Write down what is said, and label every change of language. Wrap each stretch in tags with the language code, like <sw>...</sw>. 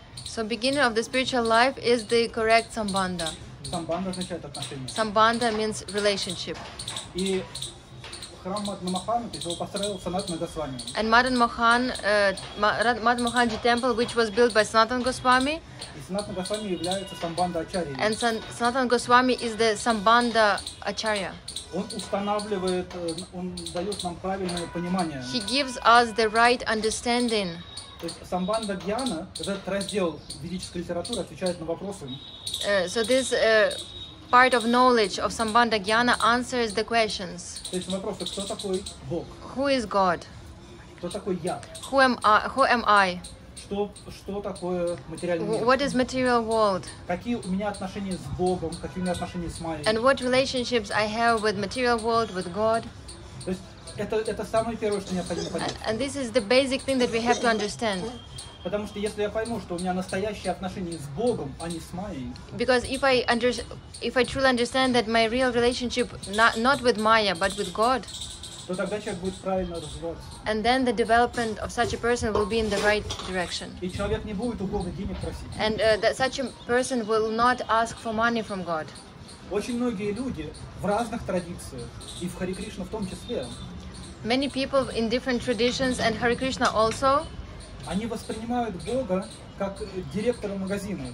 <en>So beginning of the spiritual life is the correct samband.</en> <ru>Самбанда означает отношения.</ru> <en>Самбанда means relationship.</en> <ru>И храм Мадхамахан, то есть его построил Санатан Госвами.</ru> <en>And Мадхамаханджи temple, which was built by Sanatan Goswami.</en> <ru>Санатан Госвами является самбанда ачарьей.</ru> <en>And Sanatan Goswami is the самбанда ачарья.</en> <ru>Он устанавливает, он дает нам правильное понимание.</ru> <en>He gives us the right understanding.</en> <ru>То есть самбанда гьяна, этот раздел ведической литературы отвечает на вопросы.</ru> <en>So this part of knowledge of самбанда гьяна answers the questions.</en> <ru>То есть вопросы, кто такой Бог?</ru> <en>Who is God?</en> <ru>Кто такой я?</ru> <en>Who am I?</en> <ru>Что такое материальный мир?</ru> <en>What is material world?</en> <ru>Какие у меня отношения с Богом? Какие у меня отношения с Майей?</ru> <en>And what relationships I have with material world, with God?</en> <ru>То есть это самое первое, что необходимо понять.</ru> <en>And this is the basic thing that we have to understand.</en> <ru>Потому что если я пойму, что у меня настоящие отношения с Богом, а не с Майей.</ru> <en>Because if I truly understand that my real relationship not with Maya, but with God.</en> <ru>То тогда человек будет правильно развиваться.</ru> <en>And then the development of such a person will be in the right direction.</en> <ru>И человек не будет у Бога денег просить.</ru> <en>And that such a person will not ask for money from God.</en> <ru>Очень многие люди в разных традициях, и в Харе Кришна в том числе.</ru> <en>Many people in different traditions and Hare Krishna also.</en> <ru>Они воспринимают Бога как директора магазина.</ru>